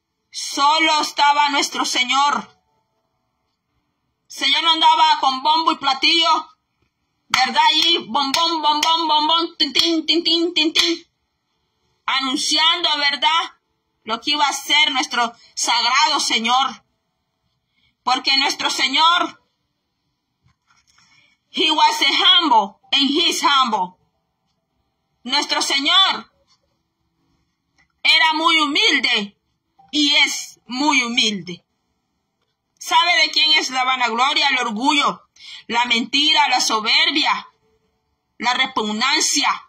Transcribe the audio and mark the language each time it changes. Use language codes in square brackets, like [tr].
[es] Solo estaba nuestro Señor. El Señor no andaba con bombo y platillo, ¿verdad? Ahí, bombón, bombón, bombón, tin, tin, tin, tin, tin, tin. Anunciando, ¿verdad?, lo que iba a ser nuestro sagrado Señor. Porque nuestro Señor, [en] He was a humble and He's humble. [es] Nuestro Señor era muy humilde y es muy humilde. ¿Sabe de quién es la vanagloria, el orgullo, la mentira, la soberbia, la repugnancia?